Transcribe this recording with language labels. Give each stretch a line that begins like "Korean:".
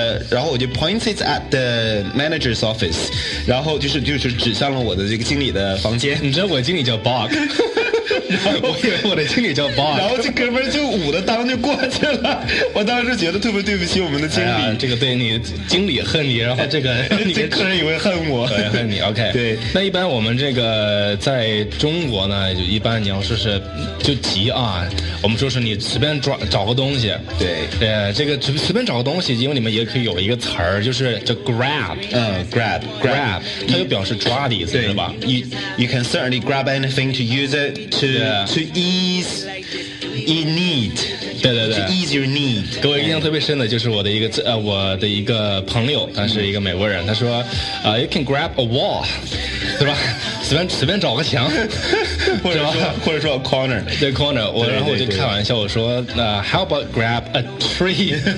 Chinese: 然后我就
English: pointed at the manager's office.
Chinese: 然后就是指向了我的这个经理的房间。你知道我经理叫 Bob. 我以为我的经理叫 Bob，然后这哥们就捂着裆就过去了。我当时觉得特别对不起我们的经理，这个对你经理恨你，然后这个你这客人以为恨我，对，恨你。OK，对。那一般我们这个在中国呢，就一般你要说是就急啊，我们说是你随便找个东西，对，这个随便找个东西，因为里面也可以有一个词儿，就是叫 grab，
English: grab，
Chinese: 它就表示抓的意思，是吧
English: ？You can certainly grab anything to use it。 To ease your need，
Chinese: 对对对
English: ，to ease your need。
Chinese: 各位印象特别深的就是我的一个我的一个朋友，他是一个美国人，他说
English: you can grab a wall，
Chinese: 对吧？随便找个墙，或者说 corner，对 corner， 我然后我就开玩笑，我说
English: how about grab a tree？